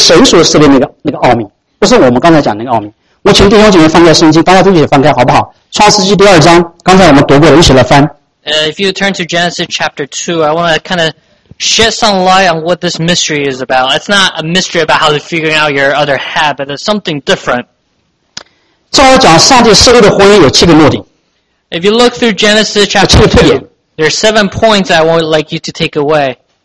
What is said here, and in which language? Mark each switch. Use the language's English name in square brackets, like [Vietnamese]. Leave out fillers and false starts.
[Chinese] 圣经上讲的上造设立婚姻的至高的一个目的，是为神所设立那个奥秘，不是我们刚才讲的那个奥秘。我请弟兄姐妹翻开圣经，大家都一起翻开，好不好？创世纪第二章，刚才我们读过的，一起来翻。 [English] If you turn to Genesis chapter 2, I want to kind of shed some light on what this mystery is about. It's not a mystery about how to figure out your other half, but it's something different. [Chinese] 这儿讲上帝设立的婚姻有七个目的。 [English] If you look through Genesis chapter 2, there are 7 points I would like you to take away.